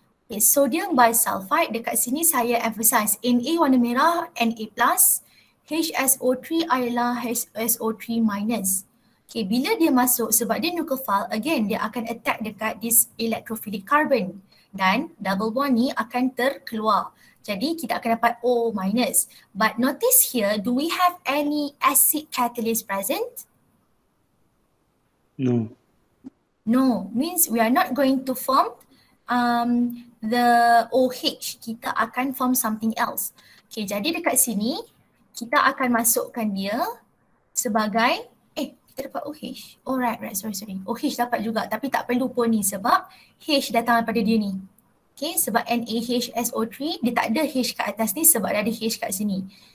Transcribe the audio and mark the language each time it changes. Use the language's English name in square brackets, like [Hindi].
[Malay] Okay, sodium bisulfite dekat sini saya emphasize. Na warna merah, Na plus. HSO3 ialah HSO3 minus. Okay, bila dia masuk sebab dia nucleophile, again dia akan attack dekat [English] this electrophilic carbon. [Malay] dan double bond ni akan terkeluar. Jadi kita akan dapat O minus. [English] But notice here, do we have any acid catalyst present? No. No, means we are not going to form the OH. [Malay] Kita akan form something else. Okay, jadi dekat sini, kita akan masukkan dia sebagai, kita dapat OH. Alright, oh, sorry. OH dapat juga tapi tak perlu pun ni sebab H datang daripada dia ni. Okay, sebab NaHSO3, dia tak ada H kat atas ni sebab dia ada H kat sini.